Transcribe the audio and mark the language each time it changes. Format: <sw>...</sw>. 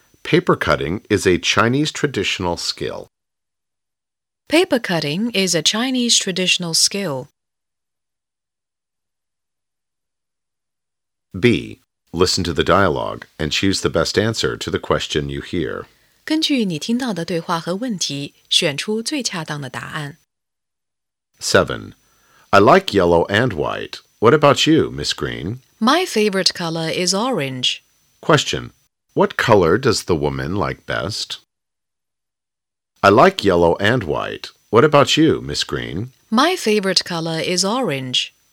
<en>Paper cutting is a Chinese traditional skill. Paper cutting is a Chinese traditional skill. B. Listen to the dialogue and choose the best answer to the question you hear.</en> <zh>根据你听到的对话和问题，选出最恰当的答案。</zh> <en>7. I like yellow and white. What about you, Miss Green? My favorite color is orange. Question. What color does the woman like best? I like yellow and white. What about you, Miss Green? My favorite color is orange.</en>